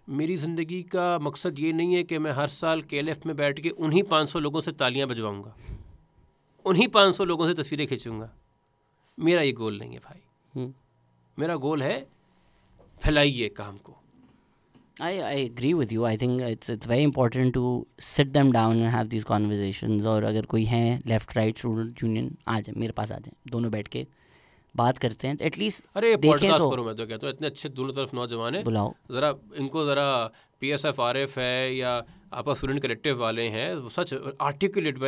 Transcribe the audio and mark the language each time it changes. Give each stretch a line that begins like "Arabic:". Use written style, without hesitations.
Urdu: میری زندگی کا مقصد یہ نہیں ہے کہ میں ہر سال کے ایل ایف میں بیٹھ کے انہیں 500 لوگوں سے تالیاں بجواؤں گا, انہیں 500 لوگوں سے تصویریں کھینچوں گا. میرا یہ گول نہیں ہے بھائی. میرا گول ہے پھیلائیے کام کو.
English: I agree with you. I think it's very important to sit them down and have these conversations.
Urdu: اور اگر کوئی ہیں لیفٹ رائٹ اسٹوڈنٹ یونین آ جائیں میرے پاس, آ جائیں دونوں بیٹھ کے بات کرتے ہیں ایٹ لیسٹ. ارے پوڈکاسٹ کرو, میں تو کہتا ہوں اتنے اچھے دونوں طرف نوجوان ہیں, بلاؤ ذرا ان کو, ذرا P S F R F ہے یا آپ کا اسٹوڈنٹ کلیکٹیو والے ہیں, سچ آرٹیکولیٹ.